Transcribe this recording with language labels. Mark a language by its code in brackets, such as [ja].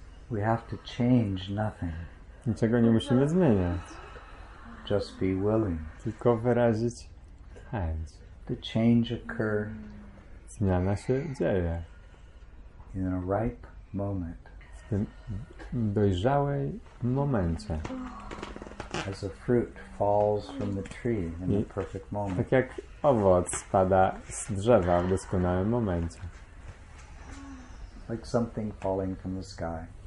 [en] We have to change nothing. [pl] Niczego nie musimy zmieniać. [en] Just be willing. [pl] Tylko wyrazić chęć. [en] The change occur. [pl] Zmiana się dzieje. [en] In a ripe moment. [pl] W tym dojrzałej momencie. [en] As a fruit falls from the tree in the perfect moment. [pl] Tak jak owoc spada z drzewa w doskonałym momencie. [en] Like something falling from the sky.